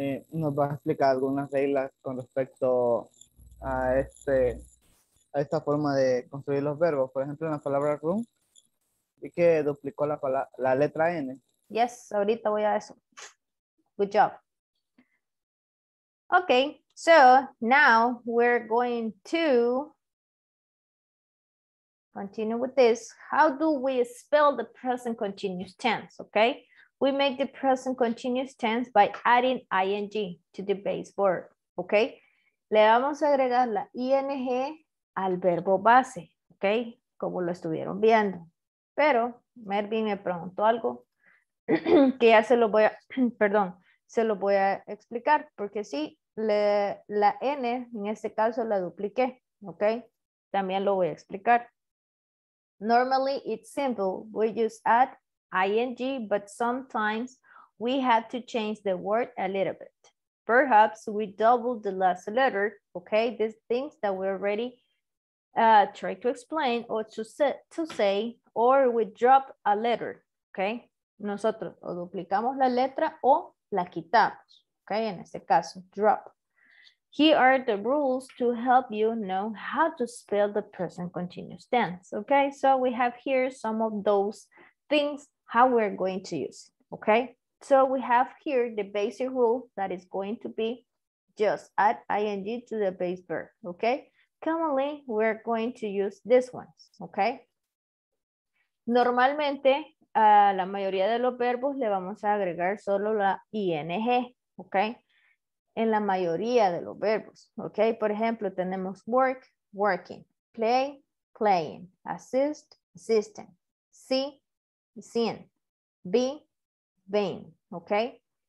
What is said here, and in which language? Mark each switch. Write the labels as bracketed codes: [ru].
[es] Nos va a explicar algunas reglas con respecto a este. A esta forma de construir los verbos. Por ejemplo, en la palabra room, vi que duplicó la letra N. [en] Yes, [es] ahorita voy a eso. [en] Good job. Okay, so now we're going to continue with this. How do we spell the present continuous tense, okay? We make the present continuous tense by adding ing to the base verb, okay? [es] Le vamos a agregar la ing al verbo base, ¿ok? Como lo estuvieron viendo. Pero Mervin me preguntó algo que ya se lo voy a, perdón, se lo voy a explicar, porque sí, la N en este caso la dupliqué, ¿ok? También lo voy a explicar. [en] Normally it's simple, we just add ing, but sometimes we have to change the word a little bit. Perhaps we double the last letter, ¿ok? These things that we already try to explain or to say or we drop a letter, okay? [es] Nosotros o duplicamos la letra o la quitamos, okay? En este caso, [en] drop. Here are the rules to help you know how to spell the present continuous tense, okay? So we have here some of those things how we're going to use, okay? So we have here the basic rule that is going to be just add ing to the base verb, okay? Commonly, we're going to use this one, okay? [es] Normalmente, a la mayoría de los verbos le vamos a agregar solo la ing, okay? En la mayoría de los verbos, okay? Por ejemplo, tenemos work, working, play, playing, assist, assisting, see, seeing, be, being, okay?